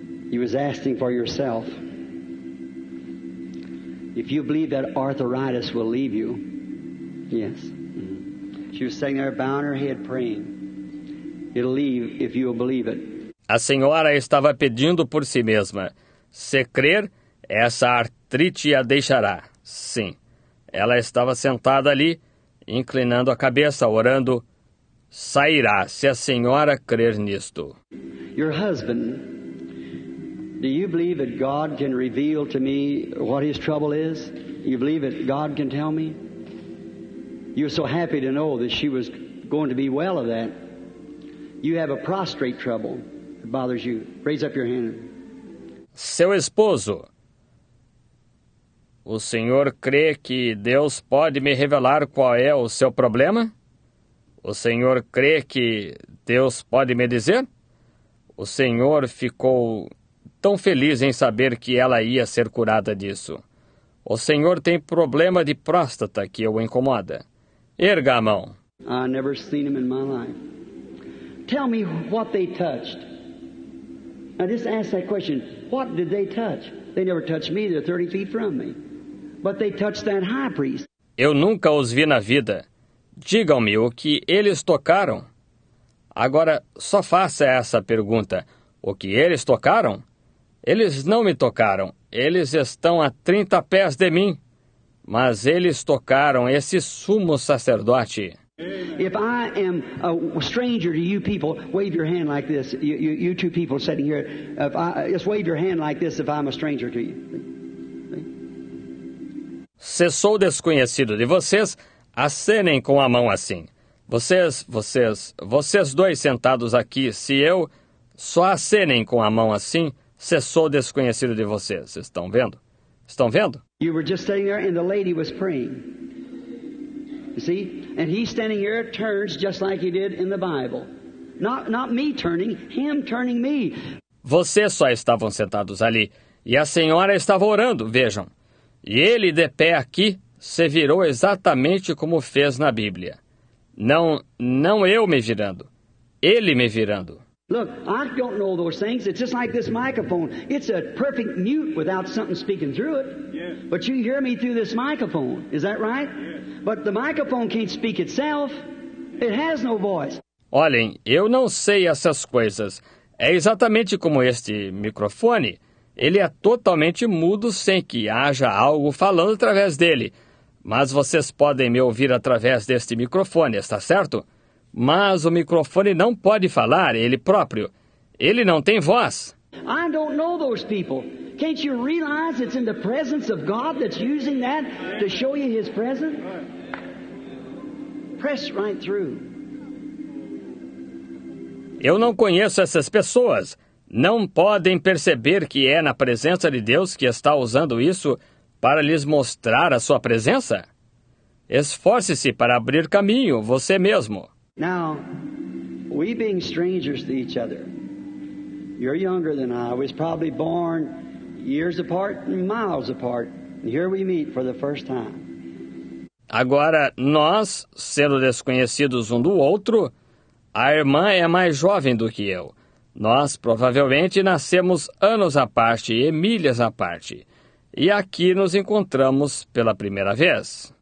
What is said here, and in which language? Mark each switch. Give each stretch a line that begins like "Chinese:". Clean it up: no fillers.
English: You was asking for yourself. If you believe that arthritis will leave you, yes. She was sitting there bowing her head praying. It'll leave if you believe it.
Portuguese: A senhora estava pedindo por si mesma. Se crer, essa artrite a deixará. Sim. Ela estava sentada ali, inclinando a cabeça, orando. Sairá, se a senhora crer nisto.
English: Your husband, do you believe that God can reveal to me what his trouble is? You believe that God can tell me? You're so happy to know that she was going to be well of that. You have a prostate trouble that bothers you. Raise up your hand.
Portuguese: Seu esposo, o senhor crê que Deus pode me revelar qual é o seu problema? O senhor crê que Deus pode me dizer? O senhor ficou tão feliz em saber que ela ia ser curada disso. O senhor tem problema de próstata que o incomoda. Erga a mão.
English: I've never seen him in my life. Tell me what they touched. Now just ask that question. What did they touch? They never touched me. They're 30 feet from me. But they touched that high priest.
Portuguese: Eu nunca os vi na vida. Digam-me o que eles tocaram. Agora, só faça essa pergunta. O que eles tocaram? Eles não me tocaram. Eles estão a 30 pés de mim. Mas eles tocaram esse sumo sacerdote.
English: If I am a stranger to you people, wave your hand like this. You two people sitting here, just wave your hand like this if I'm a stranger to you.
Portuguese: Se sou desconhecido de vocês, acenem com a mão assim. Vocês dois sentados aqui, se eu só acenem com a mão assim, se sou desconhecido de vocês. Estão vendo? Estão vendo?
English: You were just sitting there and the lady was praying. You see? And he standing here turns just like he did in the Bible. Not me turning, him turning me.
Portuguese: Vocês só estavam sentados ali e a senhora estava orando, vejam. E ele de pé aqui se virou exatamente como fez na Bíblia. Não eu me virando. Ele me virando.
English: Look, I don't know those things. It's just like this microphone. It's a perfect mute without something speaking through it. Yes. But you hear me through this microphone. Is that right? Yes. But the microphone can't speak itself. It has no voice.
Portuguese: Olhem, eu não sei essas coisas. É exatamente como este microfone. Ele é totalmente mudo sem que haja algo falando através dele. Mas vocês podem me ouvir através deste microfone, está certo? Mas o microfone não pode falar, ele próprio. Ele não tem voz.
English: I don't know those people. Can't you realize it's in the presence of God that's using that to show you his presence? Press right through.
Portuguese: Eu não conheço essas pessoas. Não podem perceber que é na presença de Deus que está usando isso para lhes mostrar a sua presença? Esforce-se para abrir caminho, você mesmo.
English: Now, we being strangers to each other, you're younger than I was probably born years apart and miles apart, and here we meet for the first time.
Portuguese: Agora, nós, sendo desconhecidos um do outro, a irmã é mais jovem do que eu. Nós, provavelmente, nascemos anos à parte e milhas à parte. E aqui nos encontramos pela primeira vez.